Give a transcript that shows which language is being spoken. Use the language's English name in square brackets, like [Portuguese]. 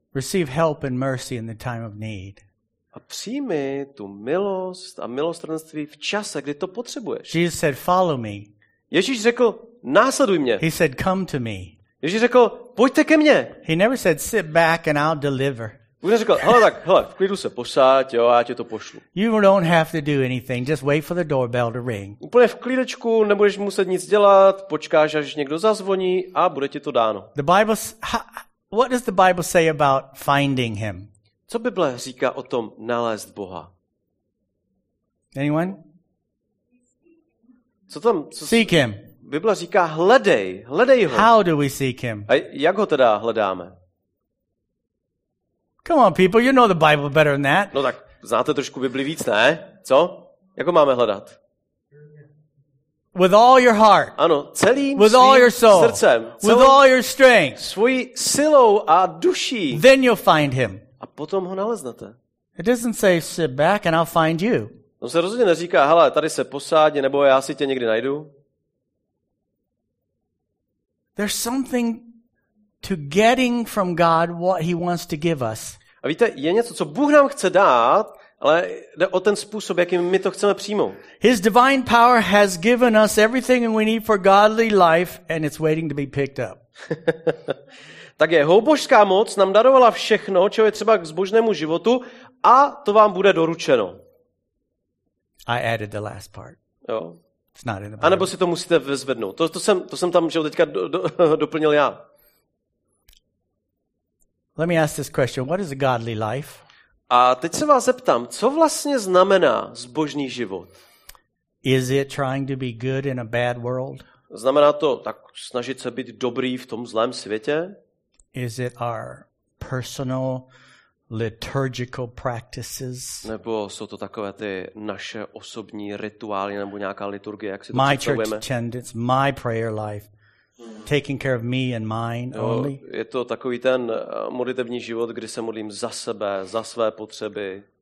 [English] Receive help and mercy in the time of need. [Czech] A přijmi tu milost a milostrnství v čase, kdy to potřebuješ. [English] Jesus said, follow me. [Czech] Ježíš řekl, následuj mě. [English] He said, come to me. [Czech] Ježíš řekl, pojďte ke mně. [English] He never said, sit back and I'll deliver. [Czech] Bůh neřekl, hele tak, hele, v klidu se posaď, jo, já tě to pošlu. [English] You don't have to do anything, just wait for the doorbell to ring. [Czech] Úplně v klidečku, nebudeš muset nic dělat, počkáš, až někdo zazvoní a bude ti to dáno. [English] The Bible, what does the Bible say about finding him? [Czech] Co Bible říká o tom nalézt Boha? [English] Anyone? [Czech] Co tam? [English] Seek him. [Czech] Bible říká, hledej ho. [English] How do we seek him? [Czech] A jak ho teda hledáme? [English] Come on, people, you know the Bible better than that. [Czech] No tak, znáte trošku Bibli víc, ne? Co? Jak ho máme hledat? [English] With all your heart. [Czech] Ano, celým [English] with [Czech] svým [English] all your soul, [Czech] srdcem. [English] With all your strength. [Czech] Svojí silou a duší. [English] Then you'll find him. [Czech] A potom ho naleznete. [English] It doesn't say sit back and I'll find you. [Czech] No se rozhodně neříká, hele, tady se posáď, nebo já si tě někdy najdu. [English] There's something to getting from God what he wants to give us. [Czech] A víte, je něco, co Bůh nám chce dát, ale jde o ten způsob, jakým my to chceme přijmout. [English] His divine power has given us everything we need for godly life and it's waiting to be picked up. [Czech] Tak jeho božská moc nám darovala všechno, čeho je třeba k zbožnému životu a to vám bude doručeno. [English] I added the last part. [Czech] Jo. [English] It's not in the [Czech] Bible. A nebo si to musíte vyzvednout. To jsem tam, že teďka doplnil já. [English] Let me ask this question. What is a godly life? [Czech] A teď se vás zeptám, co vlastně znamená zbožný život? [English] Is it trying to be good in a bad world? [Czech] Znamená to tak snažit se být dobrý v tom zlém světě? [English] Is it our personal liturgical practices? [Czech] Nebo jsou to takové ty naše osobní rituály nebo nějaká liturgie, jak si to [English] my church attendance, my prayer life. Taking care of me and mine only. [Czech] Jo, je to takový ten modlitevní život, kdy se modlím za sebe, za své potřeby.